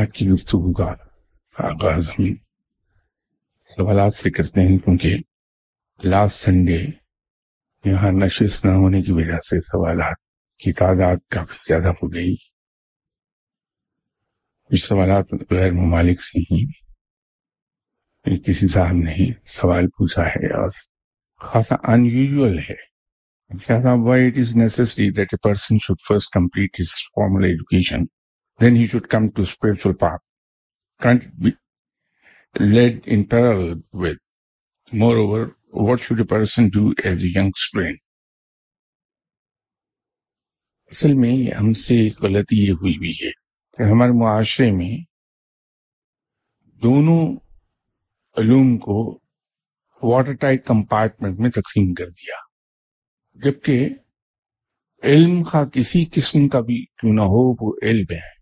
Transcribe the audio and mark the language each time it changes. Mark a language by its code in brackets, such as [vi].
[ur] گفتگو کا آغاز ہم سوالات سے کرتے ہیں، کیونکہ [en] last Sunday [ur] یہاں نشست نہ ہونے کی وجہ سے سوالات کی تعداد کافی زیادہ ہو گئی. کچھ سوالات غیر ممالک سے ہی، کسی صاحب نے سوال پوچھا ہے اور خاصا انیوژل ہے. [en] Why it is necessary that a person should first complete his formal education, then he should come to spiritual path? Can't it be led in parallel with? Moreover, what should a person do as a young student? [ur] اصل میں ہم سے ایک غلطی یہ ہوئی بھی ہے کہ ہمارے معاشرے میں دونوں علوم کو [en] watertight compartment [ur] میں تقسیم کر دیا، جبکہ علم خواہ کسی قسم کا بھی کیوں نہ ہو وہ علم ہے.